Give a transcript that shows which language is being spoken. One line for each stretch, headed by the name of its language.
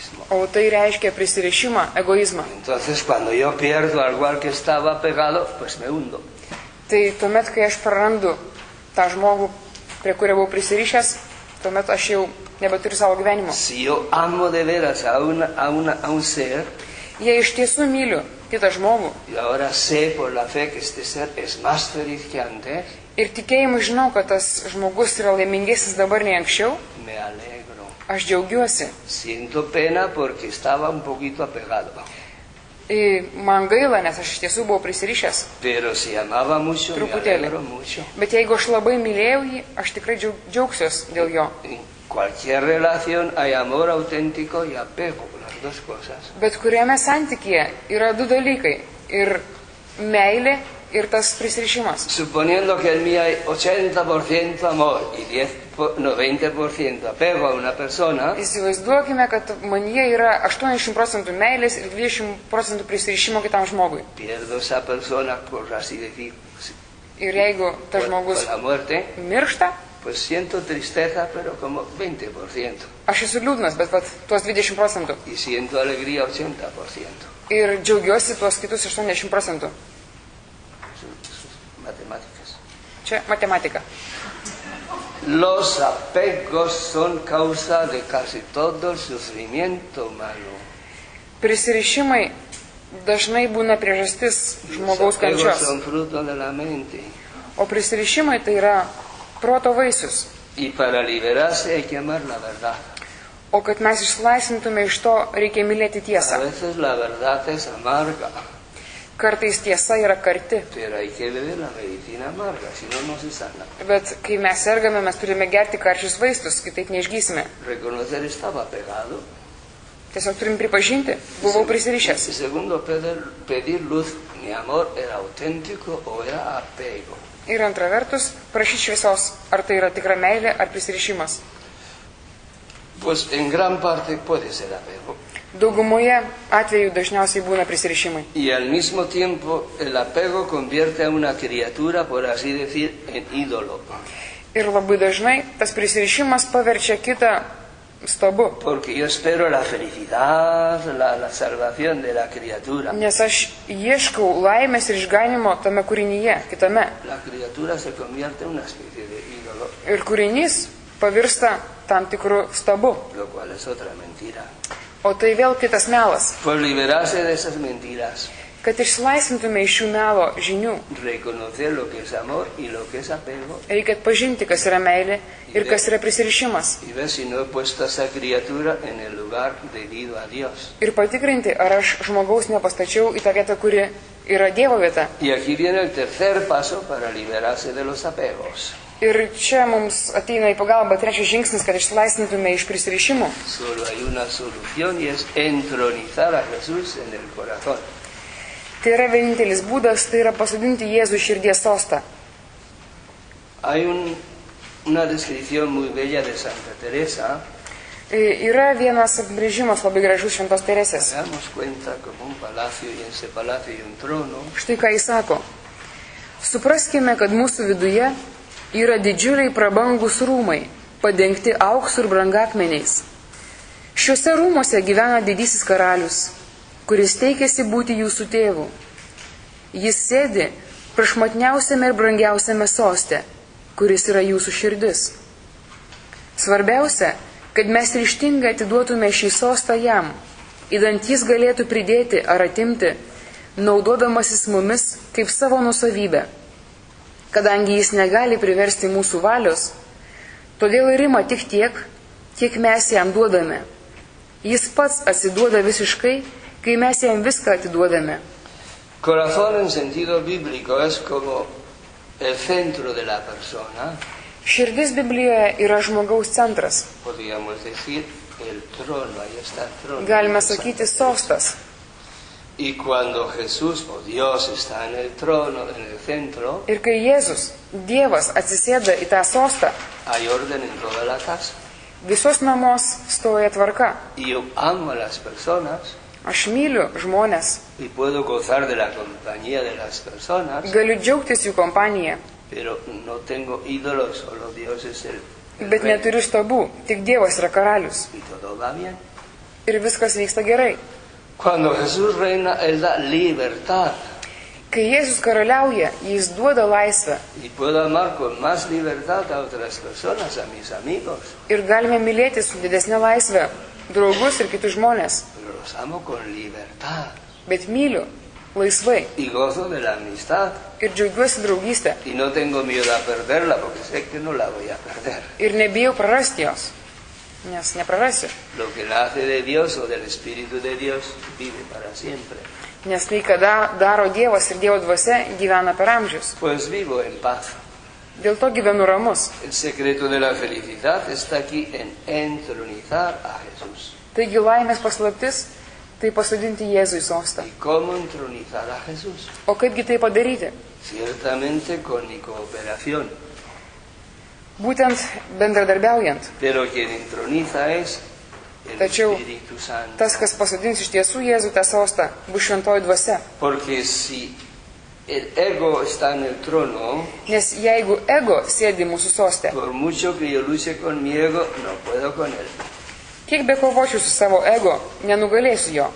Lithuanian: O tai reiškia prisirišimą, egoizmą. Tai tuomet, kai aš prarandu tą žmogų, prie kurio buvau prisirišęs, tuomet aš jau nebeturiu savo gyvenimo.
Spanish: Si yo amo de veras a un ser,
Lithuanian: я из тесу милю кита жмогу.
Spanish: И ahora sé por la fe que este ser es más feliz que antes.
Lithuanian: Ir tikėjimu žinau, kad tas žmogus yra laimingesnis dabar nei anksčiau.
Spanish: Me alegro.
Lithuanian: Aš džiaugiuosi.
Spanish: Siento pena porque estaba un poquito apegado.
Lithuanian: Y man gaila, nes aš iš tiesų buvau prisirišęs.
Spanish: Pero si amaba mucho,
Lithuanian: truputėlį.
Spanish: Me alegro mucho.
Lithuanian: Bet jeigu aš labai mylėjau jį, aš tikrai džiaugsiuos dėl jo.
Spanish: Cualquier relación hay amor auténtico y apego, las dos cosas.
Lithuanian: Bet kuriame santykyje yra du dalykai. Ir meilė, ir tas prisirišimas.
Spanish: Suponiendo que el mío hay 80% amor y 90% apego a una persona.
Lithuanian: Įsivaizduokime, kad manyje yra 80% meilės ir 20% prisirišimo kitam žmogui.
Spanish: Pierdo esa persona, por así decir.
Lithuanian: Ir jeigu tas žmogus miršta,
Spanish: pues siento tristeza, pero como 20%.
Lithuanian: Aš esu liūdnas, bet tuos 20%.
Spanish: Y siento alegría 80%.
Lithuanian: Ir džiaugiuosi tuos kitus 80%.
Spanish: Matemáticas.
Lithuanian: Čia matematika.
Spanish: Los apegos son causa de casi todo el sufrimiento humano.
Lithuanian: Prisirišimai dažnai būna priežastis žmogaus kančios.
Spanish: Los apegos son fruto de la mente.
Lithuanian: O prisirišimai tai yra proto vaisius.
Spanish: Y para liberarse hay que amar la verdad.
Lithuanian: O kad mes išsilaisintume iš to, reikia mylėti tiesą.
Spanish: A veces la verdad es amarga.
Lithuanian: Kartais tiesa yra karti.
Spanish: Pero hay que beber la medicina amarga, si no, no se sana.
Lithuanian: Bet kai mes sergame, mes turime gerti karčius vaistus, kitaip neišgysime.
Spanish: Reconocer estaba pegado.
Lithuanian: Tiesiog turim pripažinti, buvau prisirišęs.
Spanish: Segundo, pedir luz, mi amor era auténtico o era apego.
Lithuanian: Ir antra vertus, prašyti šviesos, ar tai yra tikra meilė, ar prisirišimas.
Spanish: Pues en gran parte puede ser apego.
Lithuanian: Daugumoje atveju dažniausiai būna prisirišimai.
Spanish: Y al mismo tiempo el apego convierte a una criatura, por así decir, en ídolo.
Lithuanian: Ir labai dažnai tas prisirišimas paverčia kitą stabu.
Spanish: Porque yo espero la felicidad, la salvación de la criatura.
Lithuanian: Nes aš ieškau laimės ir išganimo tame kūrinyje, kitame.
Spanish: La criatura se convierte en una especie de ídolo.
Lithuanian: Ir kūrinys pavirsta tam tikru stabu.
Spanish: Lo cual es otra mentira.
Lithuanian: O tai vėl kitas melas.
Spanish: Pues liberarse de esas mentiras.
Lithuanian: Kad išsilaisintume iš šių melo žinių.
Spanish: Reconocer lo que es amor y lo que es apego.
Lithuanian: Reikia atpažinti, kas yra meilė ir kas yra prisirišimas.
Spanish: Y ver si no he puesto a esa criatura en el lugar debido a Dios.
Lithuanian: Ir patikrinti, ar aš žmogaus nepastačiau į tą vietą, kuri yra Dievo vieta.
Spanish: Y aquí viene el tercer paso para liberarse de los apegos.
Lithuanian: Ir čia mums ateina į pagalbą trečias žingsnis, kad išsilaisintume iš prisirišimų.
Spanish: Solo hay una solución y es entronizar a Jesús en el corazón.
Lithuanian: Tai yra vienintelis būdas, tai yra pasodinti Jėzų širdies sostą.
Spanish: Hay una descripción muy bella de Santa Teresa.
Lithuanian: Yra vienas apibrėžimas labai gražus Šventos Teresės.
Spanish: Hagamos cuenta como un palacio y en ese palacio hay un trono.
Lithuanian: Štai ką jis sako. Supraskime, kad mūsų viduje yra didžiuliai prabangūs rūmai, padengti auksu ir brangakmeniais. Šiuose rūmuose gyvena didysis karalius, kuris teikėsi būti jūsų tėvų. Jis sėdi prašmatniausiame ir brangiausiame soste, kuris yra jūsų širdis. Svarbiausia, kad mes ryštingai atiduotume šį sostą jam, įdant jis galėtų pridėti ar atimti, naudodamasis mumis kaip savo nusavybę. Kadangi jis negali priversti mūsų valios, todėl ir ima tik tiek, kiek mes jam duodame. Jis pats atsiduoda visiškai, kai mes jam viską atiduodame.
Spanish: Corazón en sentido bíblico es como el centro de la persona.
Lithuanian: Širdis Biblijoje yra žmogaus centras.
Spanish: Podríamos decir el trono, ahí está el trono.
Lithuanian: Galima sakyti sostas.
Spanish: Y cuando Jesús o Dios está en el trono, en el centro.
Lithuanian: Ir kai Jėzus, Dievas atsisėda į tą sostą.
Spanish: Hay orden en toda la casa.
Lithuanian: Visos namos stoja tvarka.
Spanish: Y yo amo a las personas.
Lithuanian: Aš myliu žmonės.
Spanish: Y puedo gozar de la compañía de las personas.
Lithuanian: Galiu džiaugtis jų kompanija.
Spanish: Pero no tengo ídolos, solo Dios es el
Lithuanian: Bet neturiu stabų, tik Dievas yra karalius.
Spanish: Y todo va bien.
Lithuanian: Ir viskas vyksta gerai.
Spanish: Cuando Jesús reina, él da libertad.
Lithuanian: Kai Jėzus karaliauja, jis duoda laisvę.
Spanish: Y puedo amar con más libertad a otras personas, a mis amigos.
Lithuanian: Ir galime mylėti su didesne laisve draugus ir kitus žmonės.
Spanish: Pero los amo con libertad.
Lithuanian: Bet myliu laisvai.
Spanish: Y gozo de la amistad.
Lithuanian: Ir džiaugiuosi draugystę.
Spanish: Y no tengo miedo a perderla porque sé que no la voy a perder.
Lithuanian: Ir nebijau prarasti jos, nes neprarasiu.
Spanish: Lo que nace de Dios o del Espíritu de Dios vive para siempre.
Lithuanian: Nes tai, kada daro Dievas ir Dievo dvasia, gyvena per amžius.
Spanish: Pues vivo en paz.
Lithuanian: Dėl to gyvenu ramus.
Spanish: El secreto de la felicidad está aquí en entronizar a Jesús.
Lithuanian: Taigi laimės paslaptis, tai pasodinti Jėzų į sostą.
Spanish: ¿Y cómo entronizar a Jesús?
Lithuanian: O kaipgi tai padaryti?
Spanish: Ciertamente con mi cooperación.
Lithuanian: Būtent bendradarbiaujant.
Spanish: Pero quien entroniza es el
Lithuanian: Tačiau,
Spanish: Espíritu Santo.
Lithuanian: Tas, kas pasodins iš tiesų Jėzų tą sostą, bus šventoji dvasia.
Spanish: Porque si el ego está en el trono.
Lithuanian: Nes jeigu ego sėdi mūsų soste.
Spanish: Por mucho que yo luche con mi ego, no puedo con él.
Lithuanian: Kiek be kovočiu su savo ego, nenugalėsiu jo.